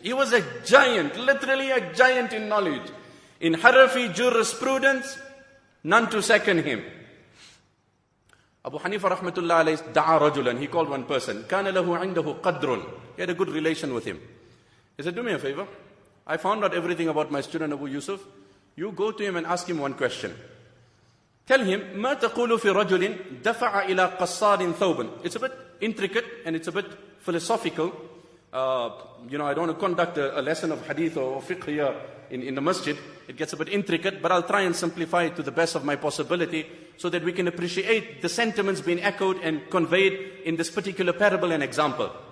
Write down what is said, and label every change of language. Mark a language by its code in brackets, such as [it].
[en] He was a giant, literally a giant in knowledge. In harafi jurisprudence, none to second him. Abu Hanifa rahmatullah alayhi [ar] da'a rajulan, [en] he called one person. [ar] Kana lahu indahu qadrun. [en] He had a good relation with him. He said, do me a favor. I found out everything about my student Abu Yusuf. You go to him and ask him one question. Tell him, [ar] مَا تَقُولُ فِي رَجُلٍ دَفَعَ إِلَىٰ قَصَّارٍ ثَوْبٍ. [en] It's a bit intricate and it's a bit philosophical. You know, I don't want to conduct a lesson of hadith or fiqh here in the masjid. It gets a bit intricate, but I'll try and simplify it to the best of my possibility so that we can appreciate the sentiments being echoed and conveyed in this particular parable and example.